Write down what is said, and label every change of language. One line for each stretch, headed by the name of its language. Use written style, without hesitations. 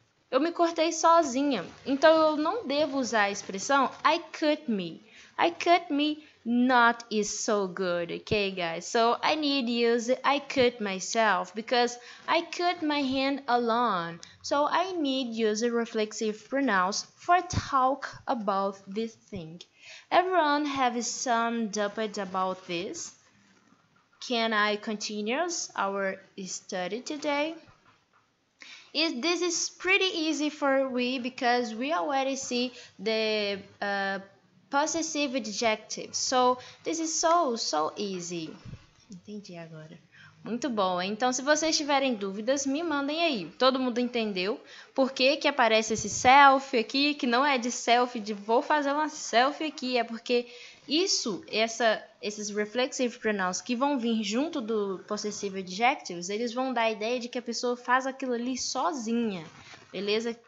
Portuguese: Eu me cortei sozinha. Então, eu não devo usar a expressão
English: I cut me. I cut me not is so good, okay, guys? So, I need to use I cut myself because I cut my hand alone. So, I need to use a reflexive pronouns for talk about this thing. Everyone have some doubt about this? Can I continue our study today? This is pretty easy for we because we already see the possessive adjective. So, this is so easy.
Portuguese: Entendi agora. Muito bom. Então, se vocês tiverem dúvidas, me mandem aí. Todo mundo entendeu por que que aparece esse selfie aqui, que não é de selfie, de vou fazer uma selfie aqui. É porque isso, esses reflexive pronouns que vão vir junto do possessive adjectives, eles vão dar a ideia de que a pessoa faz aquilo ali sozinha, beleza?